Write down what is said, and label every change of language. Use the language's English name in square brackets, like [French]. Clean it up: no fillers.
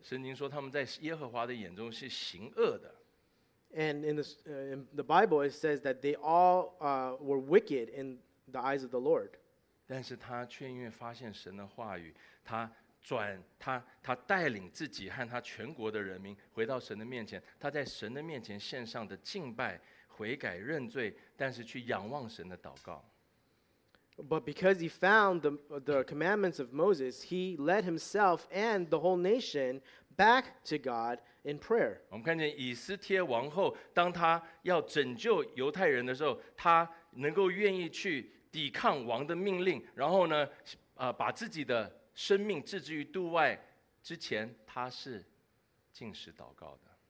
[Chinese] 圣经说他们在耶和华的眼中是行恶的。 [English] And in the Bible, it says that they all were wicked in the eyes of the Lord. [Chinese] 但是他却因为发现神的话语，他带领自己和他全国的人民回到神的面前，他在神的面前献上的敬拜、悔改、认罪，但是去仰望神的祷告。 [English] But because he found the commandments of Moses, he led himself and the whole nation back to God in prayer. [Chinese] 我们看见以斯帖王后，当他要拯救犹太人的时候，他能够愿意去抵抗王的命令，然后呢，把自己的生命置之于度外之前，他是禁食祷告的。